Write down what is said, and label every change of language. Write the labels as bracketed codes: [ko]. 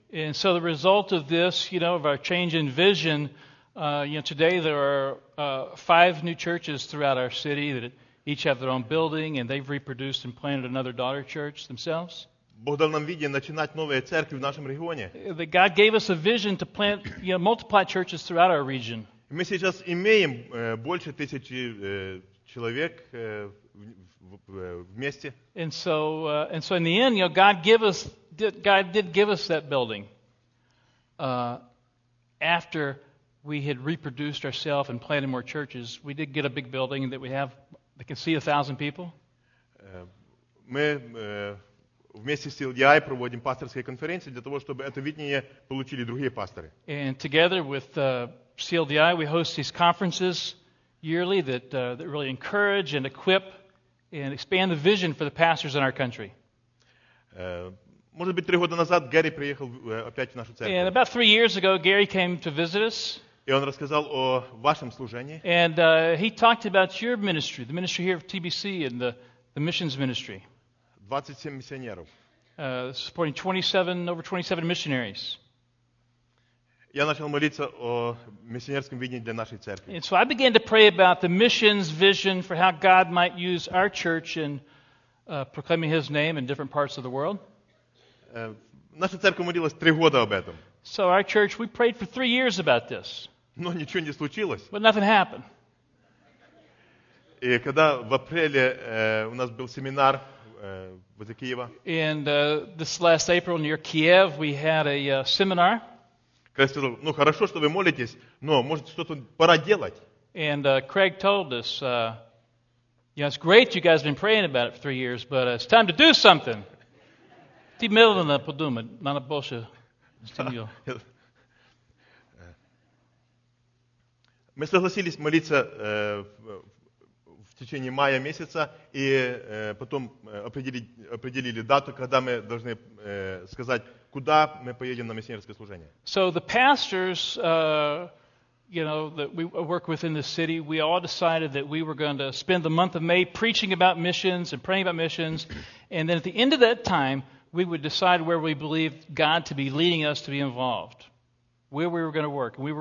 [en] And so the result of this, you know, of our change in vision, you know, today there are 5 new churches throughout our city that each have their own building, and they've reproduced and planted another daughter church themselves. [ru] Бог дал нам видение начинать новые церкви в нашем регионе. [en] God gave us a vision to plant, you know, multiply churches throughout our region. [ru] Мы сейчас имеем больше тысячи человек вместе. [en] And so in the end, you know, God did give us that building after we had reproduced ourselves and planted more churches. We did get a big building that we have that can see 1,000 people. [ru] Вместе с LDI проводим пасторские конференции для того, чтобы это видение получили другие пасторы. [en] And together with CLDI, we host these conferences yearly that really encourage and equip and expand the vision for the pastors in our country. [ru] Может быть, 3 года назад Гэри приехал опять в нашу церковь. [en] And about 3 years ago, Gary came to visit us. [ru] И он рассказал о вашем служении. [en] And he talked about your ministry, the ministry here of TBC and the missions ministry. [ru] 27 миссионеров. [en] Supporting 27, over 27 missionaries. [ru] Я начал молиться о миссионерском видении для нашей церкви. [en] And so I began to pray about the mission's vision for how God might use our church in proclaiming His name in different parts of the world. [ru] Наша церковь молилась 3 года об этом. [en] So our church, we prayed for 3 years about this. [ru] Но ничего не случилось. [en] But nothing happened. [ru] И когда в апреле у нас был семинар, [en] And this last April near Kiev, we had a seminar. [ru] Крейг сказал, ну хорошо, что вы молитесь, но может что-то пора делать. [en] And Craig told us, you know, it's great you guys have been praying about it for 3 years, but it's time to do something. [ru] Ты медленно подумай, надо больше стимул. Мы согласились молиться в течение мая месяца, и потом определили дату, когда мы должны сказать, куда мы поедем на миссионерское служение. [en] So the pastors, you know, that we work with in the city, we all decided that we were going to spend the month of May preaching about missions and praying about missions, and then at the end of that time, we would decide where we believed God to be leading us to be involved, where we were going to work.